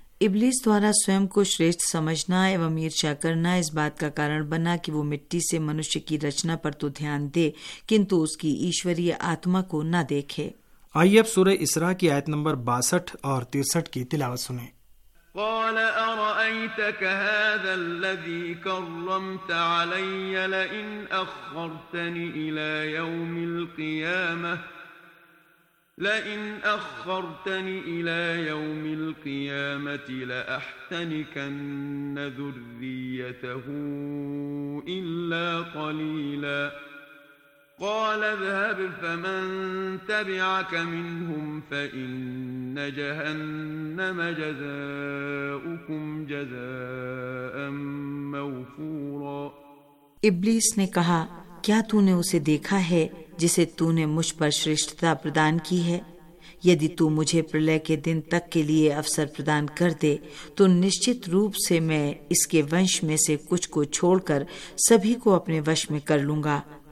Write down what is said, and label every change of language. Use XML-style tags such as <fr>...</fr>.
<hi>इबलीस द्वारा स्वयं को श्रेष्ठ समझना एवं ईर्ष्या करना इस बात का कारण बना कि वो मिट्टी से मनुष्य की रचना पर तो ध्यान दे किंतु उसकी ईश्वरीय आत्मा को न देखे। आइए अब सूरह इसरा की आयत नंबर 62 और 63 की तिलावत सुने।</hi> <ar>قال أرأيتك هذا الذي كرمت علي لئن أخرتني إلى يوم القيامة لأحتنكن ذريته إلا قليلا قال اذهب فمن تبعك منهم فإن جهنم جزاؤكم جزاء موفورا।</ar> <hi>इब्लीस ने कहा क्या तूने उसे देखा है जिसे तूने मुझ पर श्रेष्ठता प्रदान की है, यदि तू मुझे प्रलय के दिन तक के लिए अवसर प्रदान कर दे तो निश्चित रूप से मैं इसके वंश में से कुछ को छोड़कर सभी को अपने वश में कर लूंगा।</hi>